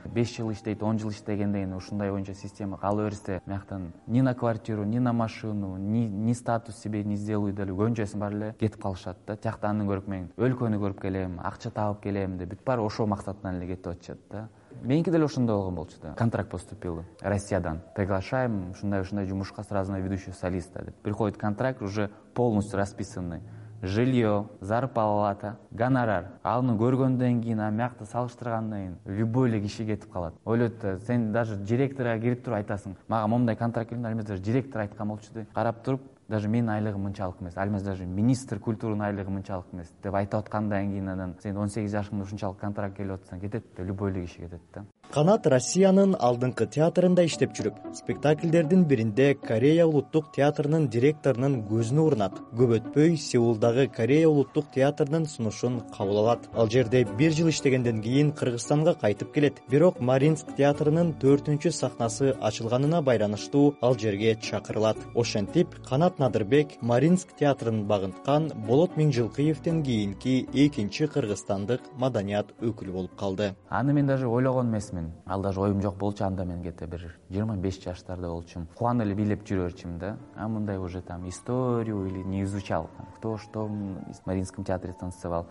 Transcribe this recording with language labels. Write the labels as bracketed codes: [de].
[ky] 5 жыл иштейт, 10 жыл иштегенден ушундай боюнча система кала берсе, мыяктан [ru] ни на квартиру, ни на машину, ни статус себе не сделаю [ky] деле көнчөсүн бар эле кетип калышат да. Тияктанды көрүп мен өлкөнү көрүп келем, акча табып келем деп бүт бар ошо максатынан эле кетип атышат да. Меньки деле ошондой болгон болчу да. [ru] Контракт поступил Россиядан. Приглашаем [ky] ушундай жумушка [ru] сразу на ведущего солиста деп. Приходит контракт уже полностью расписанный. Жилье, зарплата, гонорар. [ky] Аны көргөндөн кийин мыякта салыштыргандан кийин любой эле киши кетип калат. Ойлот, сен даже директорго кирип туруп айтасың. Мага момундай контракт келген, алмаз даже директор айткан болчу да. Карап туруп, даже менин айлыгым мынчалык эмес. Алмаз даже министр культуранын айлыгы мынчалык эмес деп айтып аткандан кийин анан сен 18 жашыңда ушунчалык контракт келип атсаң кетет да, любой эле киши кетет да. Канат Россиянын алдыңкы театрында иштеп жүрүп, спектакльдердин биринде Корея улуттук театрынын директорунун көзүнө урнат. Көп өтпөй Сеулдагы Корея улуттук театрынын сунушун кабыл алат. Ал жерде бир жыл иштегенден кийин Кыргызстанга кайтып келет. Бирок Мариинск театрынын 4-чү сахнасы ачылганына байланыштуу ал жерге чакырылат. Ошентип Канат Надырбек Мариинск театрын багынткан Болот Миңжылкыевтен кийинки экинчи кыргызстандык маданият өкүлү болуп калды. Аны мен даже ойлогон эмес. Мен ал даже оюм жок болчу, анда мен кете бир 25 жаштарда болчум, кубанып эле бийлеп жүрөрчүмүн да. [ru] А мындай уже там историю или не изучал, кто что в Мариинском театре танцевал.